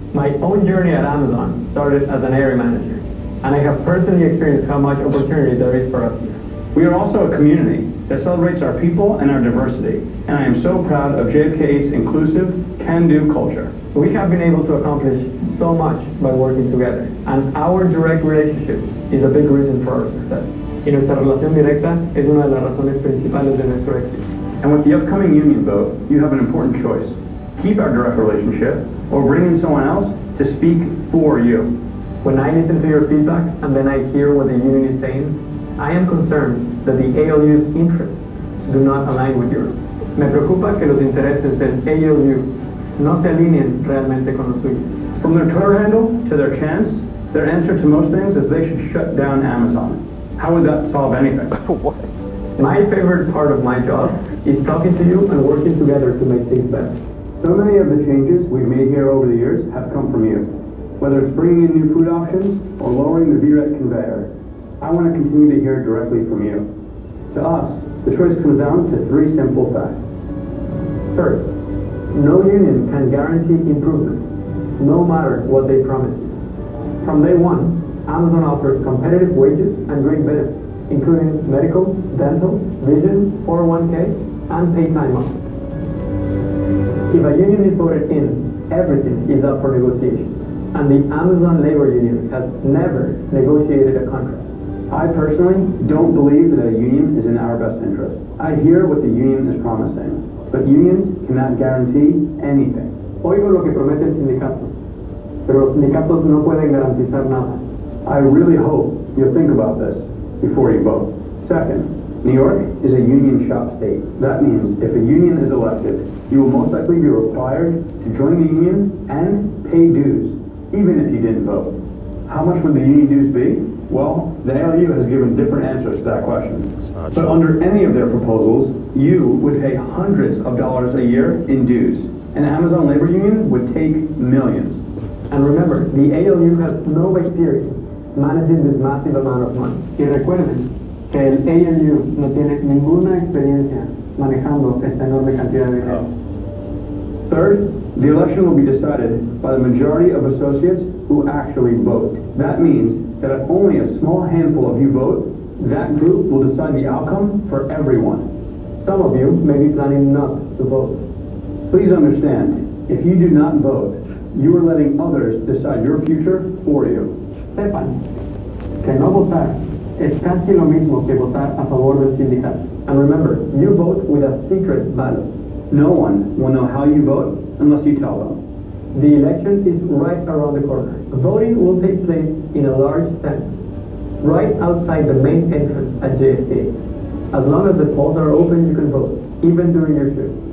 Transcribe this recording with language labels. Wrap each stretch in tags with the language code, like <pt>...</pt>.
<en>My own journey at Amazon started as an area manager, and I have personally experienced how much opportunity there is for us here. We are also a community that celebrates our people and our diversity, and I am so proud of JFK's inclusive, can-do culture. We have been able to accomplish so much by working together, and our direct relationship is a big reason for our success.</en> <es>Y nuestra relación directa es una de las razones principales de nuestro éxito.</es> <en>And with the upcoming union vote, you have an important choice. Keep our direct relationship, or bring in someone else to speak for you. When I listen to your feedback and then I hear what the union is saying, I am concerned that the ALU's interests do not align with yours.</en> <es>Me preocupa que los intereses del ALU no se alineen realmente con los suyos.</es> <en>From their Twitter handle to their chants, their answer to most things is they should shut down Amazon. How would that solve anything? What? My favorite part of my job is talking to you and working together to make things better. So many of the changes we've made here over the years have come from you. Whether it's bringing in new food options or lowering the VREC conveyor, I want to continue to hear directly from you. To us, the choice comes down to three simple facts. First, no union can guarantee improvement, no matter what they promise you. From day one, Amazon offers competitive wages and great benefits, including medical, dental, vision, 401k, and paid time off. If a union is voted in, everything is up for negotiation. And the Amazon Labor Union has never negotiated a contract. I personally don't believe that a union is in our best interest. I hear what the union is promising, but unions cannot guarantee anything.</en> <es>Oigo lo que promete el sindicato, pero los sindicatos no pueden garantizar nada.</es> <en>I really hope you'll think about this before you vote. Second, New York is a union shop state. That means if a union is elected, you will most likely be required to join the union and pay dues. Even if you didn't vote. How much would the union dues be? Well, the ALU has given different answers to that question. But under any of their proposals, you would pay hundreds of dollars a year in dues. An Amazon labor union would take millions. And remember, the ALU has no experience managing this massive amount of money.</en> <es>Y recuerden que el ALU no tiene ninguna experiencia manejando esta enorme cantidad de dinero.</es> <en>Third, the election will be decided by the majority of associates who actually vote. That means that if only a small handful of you vote, that group will decide the outcome for everyone. Some of you may be planning not to vote. Please understand, if you do not vote, you are letting others decide your future for you.</en> <es>Sepan que no votar es casi lo mismo que votar a favor del sindicato.</es> <en>And remember, you vote with a secret ballot. No one will know how you vote unless you tell them. The election is right around the corner. Voting will take place in a large tent, right outside the main entrance at JFK. As long as the polls are open, you can vote, even during your shift.</en>